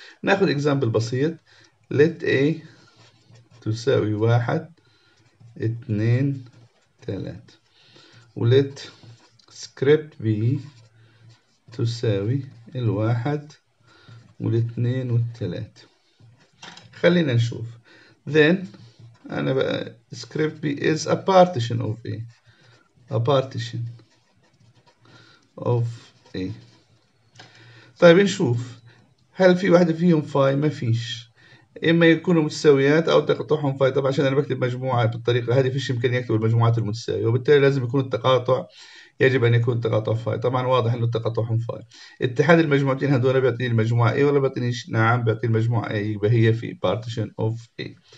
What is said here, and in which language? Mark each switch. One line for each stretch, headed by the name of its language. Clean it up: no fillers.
Arabic: ناخذ إكزامبل بسيط. let A تساوي 1 2 3، ولت سكريبت بي تساوي الواحد والاثنين والثلاثة. خلينا نشوف. then أنا بقى سكريبت بي
English: is a partition of A، a partition of A.
Arabic: طيب نشوف هل في واحدة فيهم فاي؟ ما فيش. إما يكونوا متساويات أو تقاطعهم فاي. طبعا عشان أنا بكتب مجموعة بالطريقة هذه فيش إمكانية أكتب المجموعات المتساوية، وبالتالي لازم يكون التقاطع، يجب أن يكون تقاطع فاي. طبعا واضح أنه التقاطع فاي. اتحاد المجموعتين هذول بيعطيني المجموعة A ولا بيعطيني؟ نعم بيعطيني المجموعة A، يبقى هي في
English: partition of A.